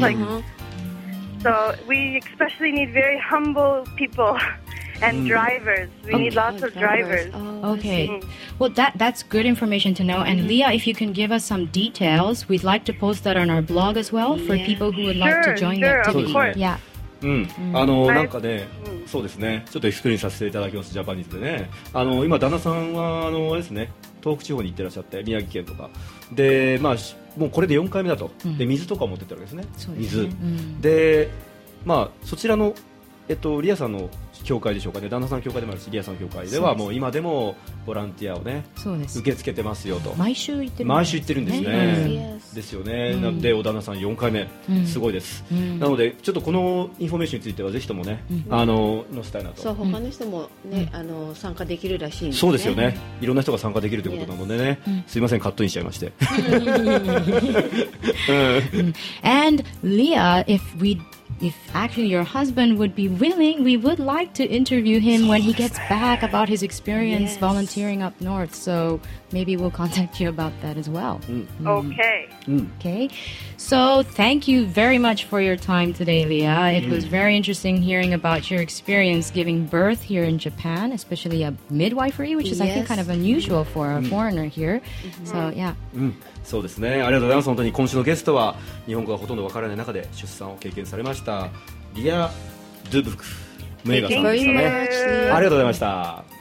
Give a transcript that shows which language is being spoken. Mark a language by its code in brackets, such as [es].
[en] like... So we especially need very humble people And drivers. We need lots of drivers. Okay. Well, that's good information to know. And Leah, if you can give us some details, we'd like to post that on our blog as well for people who would like to join the activity. Sure, of course. Yeah. [ja] うん、あのなんかね、そうですね、ちょっとエクスプレインさせていただきます。ジャパニーズでね、あの今旦那さんはあのですね、東北地方に行ってらっしゃって、宮城県とかで、まあもうこれで4回目だと、うん、で水とか持ってってるわけですね、水そうですね、で、まあそちらのリアさんの教会でしょうかね、旦那さんの教会でもあるし、リアさんの教会ではもう今でもボランティアをね、そうです、受け付けてますよと。毎週行ってる、ね、毎週行ってるんですね、ですよね、うん、なんでお旦那さん4回目、うん、すごいです、うん、なのでちょっとこのインフォメーションについてはぜひともね、うん、あの載せたいなと。そう、他の人もね、うん、あの参加できるらしいんです、ね、そうですよね、いろんな人が参加できるということなのでね、うん、すいませんカットインしちゃいまして [en] And Leah, if actually your husband would be willing, we would like to interview him when he gets back about his experience volunteering up north. So maybe we'll contact you about that as well. Okay. Okay. So thank you very much for your time today, Leah. It was very interesting hearing about your experience giving birth here in Japan, especially a midwifery, which is, I think, kind of unusual for a foreigner here. So, yeah. [ja] そうですね、ありがとうございます。本当に今週のゲストは日本語がほとんどわからない中で出産を経験されましたリア・ドゥブク・ムエガさんでしたね。ありがとうございました。